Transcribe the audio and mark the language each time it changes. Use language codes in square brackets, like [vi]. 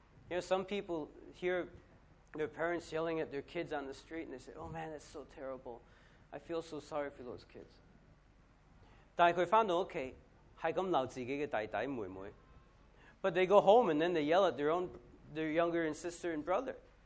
[en] You know, some people hear their parents yelling at their kids on the street, and they say, "Oh man, that's so terrible. I feel so sorry for those kids." [yue] 但系佢翻到屋企，系咁闹自己嘅弟弟妹妹。 [en] But they go home and then they yell at their younger and sister and brother.